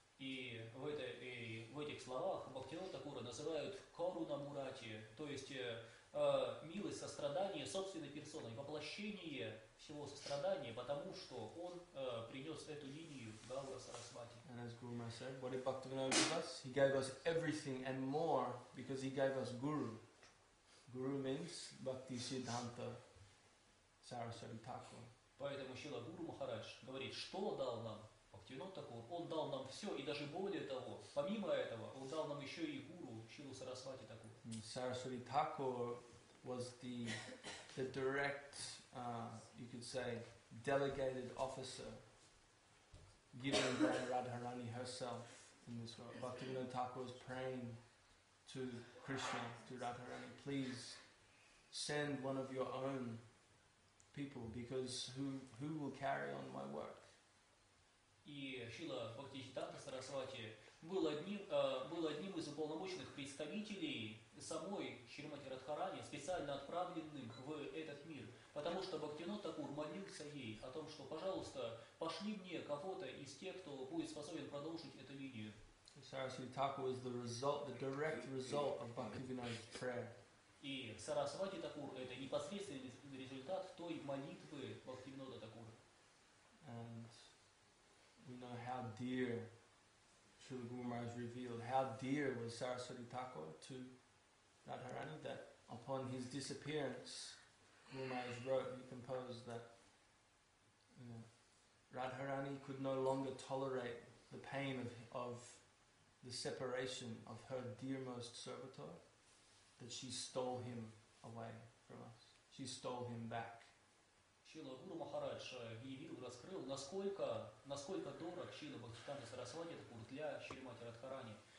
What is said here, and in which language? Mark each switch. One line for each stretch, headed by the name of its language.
Russian: И в этой в этих словах Бхактивинода Такура называют Коруна Мурати, то есть милость, сострадание собственной персоной, воплощение всего сострадания, потому что он принес эту линию Гаура Сарасвати.
English: And as Guru Maharaj said, what did Bhaktivinoda give us? He gave us everything and more, because he gave us Guru. Guru means Bhakti Siddhanta Saraswati Thakur.
Russian: Поэтому Шрила Гуру Махарадж говорит, что дал нам Бхактивинода Такур? Он дал нам все, и даже более того, помимо этого, он дал нам еще и Гуру Шрилу Сарасвати Такур.
English: Saraswati Thakur was the direct, you could say, delegated officer given by Radharani herself in this world. Bhaktivinoda Thakur was praying to Krishna, to Radharani, please send one of your own people, because who will carry on my work?
Russian: И Шрила Бхактисиддханта Сарасвати был одним из уполномоченных представителей самой Шримати Радхарани, специально отправленным в этот мир, потому что Бхактивинода Такур молился ей о том, что, пожалуйста, пошли мне кого-то из тех, кто будет способен продолжить эту линию.
English: Saraswati Thakur was the result, the direct result of Bhaktivinoda's prayer.
Russian: И Сарасвати Такур – это непосредственный результат той молитвы Бхактивинода Такура.
English: And we know how dear Srila Guru Maharaj revealed, how dear was Saraswati Thakur to Radharani, that upon his disappearance, Guru Maharaj wrote, he composed that, you know, Radharani could no longer tolerate the pain of the separation of her dearmost servitor, that she stole him away from us. She stole him back.
Russian: Шрила Гуру Махарадж явил, раскрыл, насколько дорог Шрила Бхактисиддханта Сарасвати Такур для Шримати Радхарани.